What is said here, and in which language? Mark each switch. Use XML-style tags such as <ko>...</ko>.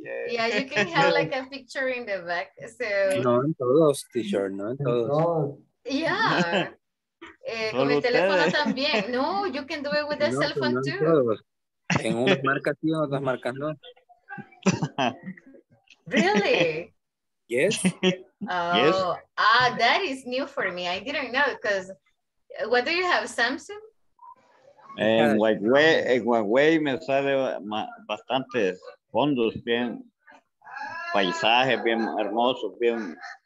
<en>Yeah, you can have like a picture in the back.</en> <es>No en todos, t-shirt, no en todos. Yeah. con el teléfono también.</es> <en>No, you can do it with the cell phone too.</en> <es>Todos. En unas marcas sí, en otras marcas no.</es> <en>Really? Yes. Yes. Ah, that is new for me. I didn't know because what do you have, Samsung?</en> <es>En Huawei me sale bastantes fondos, bien paisajes, bien hermosos, bien.</es>